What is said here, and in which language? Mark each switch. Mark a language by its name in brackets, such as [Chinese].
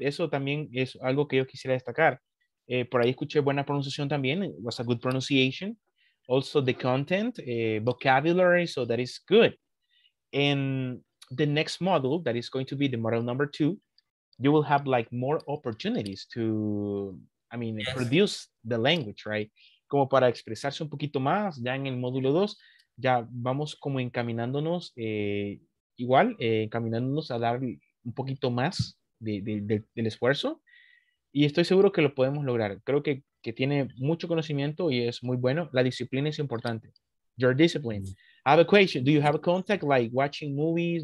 [Spanish] Eso también es algo que yo quisiera destacar. Por ahí escuché buena pronunciación también. [English] It was a good pronunciation. Also the content, vocabulary, so that is good. And the next module, that is going to be the module number 2, you will have like more opportunities to, I mean, yes, produce the language, right? [Spanish] Como para expresarse un poquito más, ya en el módulo 2, ya vamos como encaminándonos, igual, encaminándonos a dar un poquito más del esfuerzo. Y estoy seguro que lo podemos lograr. Creo que tiene mucho conocimiento y es muy bueno. La disciplina es importante. [English] Your discipline. I have a question. Do you have a contact like watching movies?